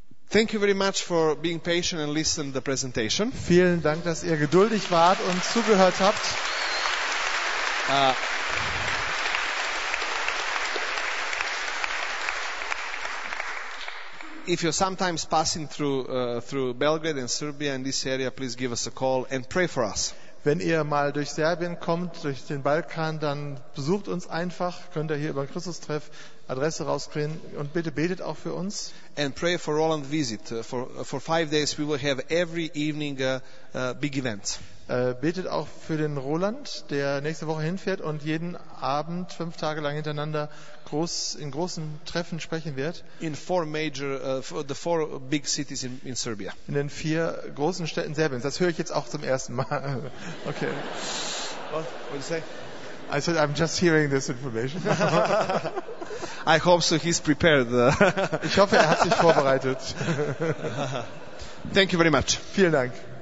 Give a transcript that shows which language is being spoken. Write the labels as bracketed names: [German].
[English] Thank you very much for being patient and listening to the presentation. [German] Vielen Dank, dass ihr geduldig wart und zugehört habt. [English] If you're sometimes passing through Belgrade and Serbia in this area, please give us a call and pray for us. [German] Wenn ihr mal durch Serbien kommt, durch den Balkan, dann besucht uns einfach. Könnt ihr hier über den Christustreff Adresse rauskriegen und bitte betet auch für uns. [English] And pray for Roland's visit. For 5 days we will have every evening big events. [German] Betet auch für den Roland, der nächste Woche hinfährt und jeden Abend 5 Tage lang hintereinander in großen Treffen sprechen wird. [English] In 4 major, the 4 big cities in Serbia. [German] In den 4 großen Städten Serbiens. Das höre ich jetzt auch zum ersten Mal. [English] Okay. What did you say? I said I'm just hearing this information. I hope so. He's prepared. [German] Ich hoffe, er hat sich vorbereitet. [English] Thank you very much. [German] Vielen Dank.